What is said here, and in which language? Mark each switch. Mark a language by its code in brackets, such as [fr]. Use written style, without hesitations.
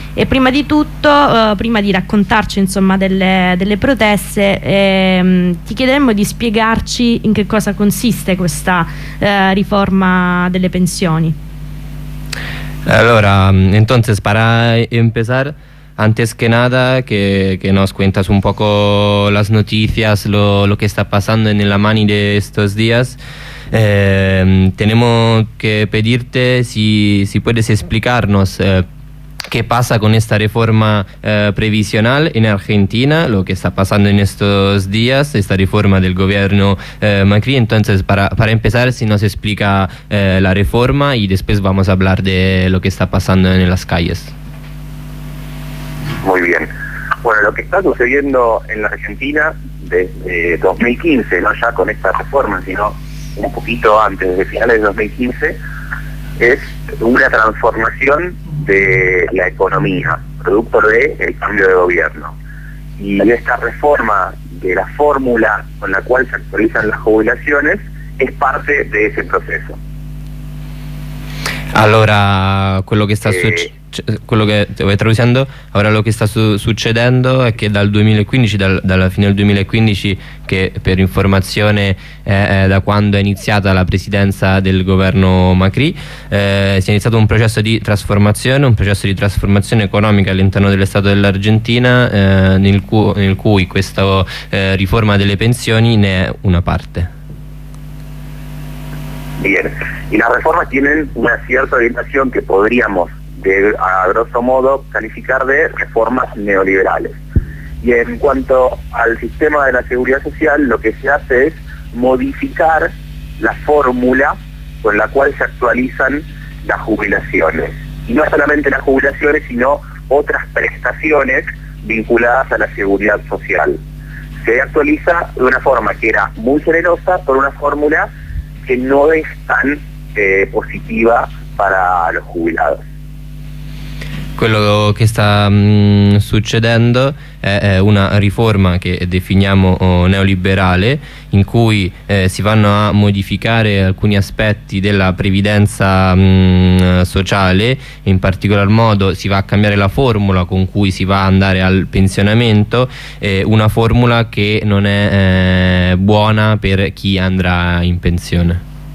[it] E prima di tutto, prima di raccontarci insomma delle proteste, ti chiederemmo di spiegarci in che cosa consiste questa riforma delle pensioni. [es] Allora, entonces, para empezar, antes que nada, que nos cuentas un poco las noticias, lo que está pasando en la mani de estos días, tenemos que pedirte si puedes explicarnos qué pasa con esta reforma previsional en Argentina, lo que está pasando en estos días, esta reforma del gobierno Macri. Entonces, para empezar, si nos explica la reforma y después vamos a hablar de lo que está pasando en las calles. Muy bien. Bueno, lo que está sucediendo en la Argentina desde 2015, no ya con esta reforma, sino un poquito antes, de finales de 2015, es una transformación de la economía, producto del cambio de gobierno. Y esta reforma de la fórmula con la cual se actualizan las jubilaciones es parte de ese proceso. [it] Allora, quello che sta quello che [es] te vai traduciendo, [it] ora lo che sta succedendo è che dal 2015, dalla fine del 2015, che per informazione è da quando è iniziata la presidenza del governo Macri, si è iniziato un processo di trasformazione economica all'interno dello Stato dell'Argentina, nel cui questa riforma delle pensioni ne è una parte. [es] Bien, y las reformas tienen una cierta orientación que podríamos, a grosso modo, calificar de reformas neoliberales. Y en cuanto al sistema de la seguridad social, lo que se hace es modificar la fórmula con la cual se actualizan las jubilaciones. Y no solamente las jubilaciones, sino otras prestaciones vinculadas a la seguridad social. Se actualiza de una forma que era muy generosa por una fórmula que no es tan positiva para los jubilados. [it] Quello che sta succedendo è una riforma che definiamo neoliberale, in cui si vanno a modificare alcuni aspetti della previdenza sociale, in particolar modo si va a cambiare la formula con cui si va ad andare al pensionamento, una formula che non è buona per chi andrà in pensione.